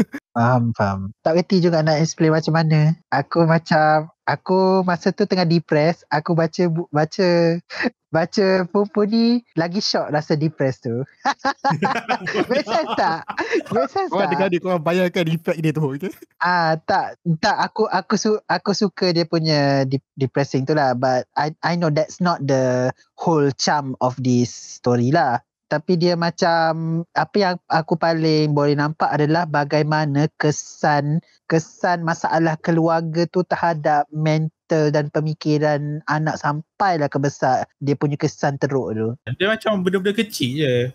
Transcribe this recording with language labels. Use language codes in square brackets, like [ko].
[ms] Faham. Tak reti juga nak explain macam mana. Aku masa tu tengah depress. Aku baca Punpun ni, lagi shock rasa depress tu. Make sense tak? Kau dengar dia, kau bayangkan impact dia tu. Tak. Aku suka dia punya depressing tu lah. [en] But I know that's not the whole charm of this story lah. [ms] Tapi dia macam, apa yang aku paling boleh nampak adalah bagaimana kesan masalah keluarga tu terhadap mental dan pemikiran anak sampailah ke besar, dia punya kesan teruk tu. Dia macam benda-benda kecil je.